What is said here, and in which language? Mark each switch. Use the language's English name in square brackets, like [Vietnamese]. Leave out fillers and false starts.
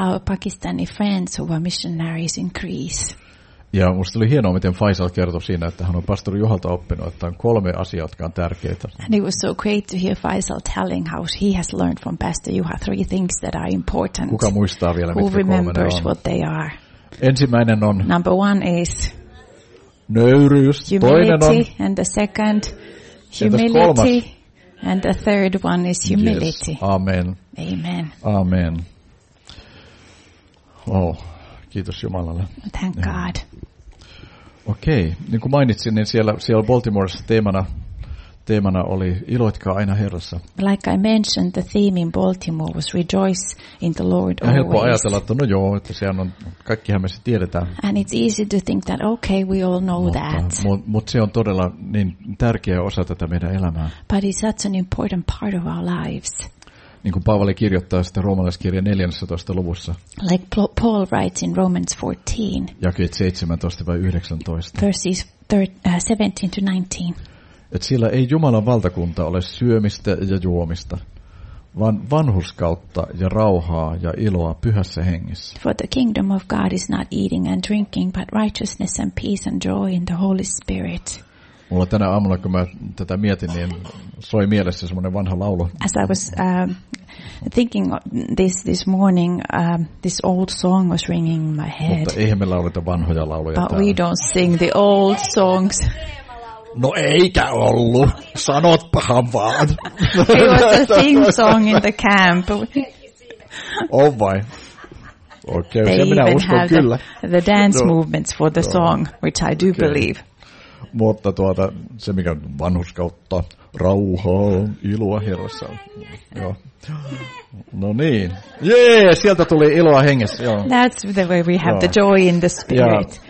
[English] Our Pakistani friends who were missionaries in Greece. [Finnish] Ja musta oli hienoa, miten Faisal kertoi siinä, että hän on pastori Juhalta oppinut, että on kolme asiaa, jotka on tärkeitä. [English] And it was so great to hear Faisal telling how he has learned from Pastor Juha three things that are important. [Finnish] Kuka muistaa vielä, [English] who [Finnish] mitkä kolme ne on? [English] Remembers what they are? [Finnish] Ensimmäinen on [English] number one is [Finnish] nöyryys. [English] Humility. [Finnish] Toinen on [English] and the second humility. And the third one is humility. Yes. Amen. Amen. Amen. [Finnish] Oh. Kiitos Jumalalle. [English] Thank God. [Finnish] Okei, niin kuin mainitsin, niin siellä Baltimoressa teemana oli iloitkaa aina Herrassa. [English] Like I mentioned, the theme in Baltimore was rejoice in the Lord always. [Finnish] Ja helppo ajatella, että no joo, että sehän on, kaikkihan me se tiedetään. [English] And it's easy to think that, okay, we all know that. [Finnish] Mutta se on todella niin tärkeä osa tätä meidän elämää. [English] But it's such an important part of our lives. [Finnish] Niin kuin Paavali kirjoittaa sitä roomalaiskirjeen 14. luvussa. [English] Like Paul writes in Romans 14. [Finnish] Jakeet 17 vai 19. [English] Verses 17-19. [Finnish] Että sillä ei Jumalan valtakunta ole syömistä ja juomista, vaan vanhurskautta ja rauhaa ja iloa pyhässä hengessä. [English] For the kingdom of God is not eating and drinking, but righteousness and peace and joy in the Holy Spirit. [Finnish] Mulla tänä aamuna, kun mä tätä mietin, niin soi mielessä semmoinen vanha laulu. [English] As I was thinking this morning, this old song was ringing in my head. [Finnish] Mutta eihän me lauleta vanhoja lauluja. [English] But we don't sing the old songs. [Finnish] No eikä ollut. Sanotpahan vaan. [English] It was a theme song in the camp. [Finnish] Oh vai. Okay, [English] they even [Finnish] uskon, [English] have the dance movements for the song, which I do believe. [Finnish] Mutta tuota, se mikä vanhurskautta, rauhaa, iloa Herrassa. Joo. No niin. Jee, sieltä tuli iloa hengessä. Joo. [English] That's the way we have the joy in the spirit.